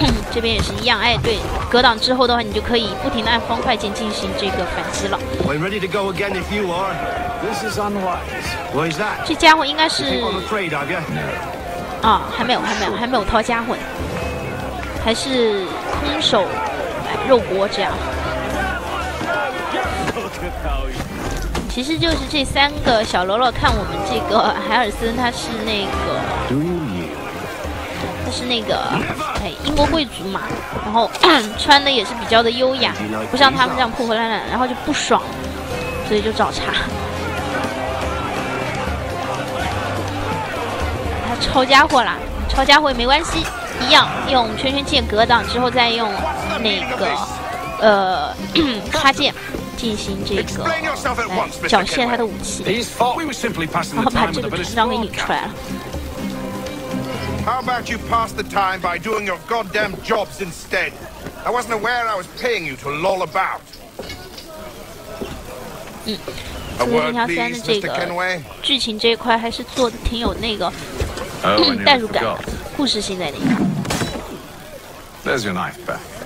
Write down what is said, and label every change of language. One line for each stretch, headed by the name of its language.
Chinese: 这边也是一样，哎，对，格挡之后的话，你就可以不停地按方块键进行这个反击了。
English: We're ready to go again if you are. This is unwise. Why is that?
Chinese: 这家伙应该是。
English: You think I'm afraid of you? No.
Chinese: 啊，还没有掏家伙，还是空手肉搏这样。其实就是这三个小喽啰看我们这个海尔森，他是那个。
English: Do you?
Chinese: 是那个，哎，英国贵族嘛，然后穿的也是比较的优雅，不像他们这样破破烂烂，然后就不爽，所以就找茬。抄家伙啦，抄家伙也没关系，一样用圈圈键格挡之后再用那个插件进行这个来缴械他的武器，然后把这个团长给引出来了。
English: How about you pass the time by doing your goddamn jobs instead? I wasn't aware I was paying you to loll about.
Chinese: 嗯，刺客信条三的这个剧情这一块还是做的挺有那个代入感、故事性在里面。
English: There's your knife back.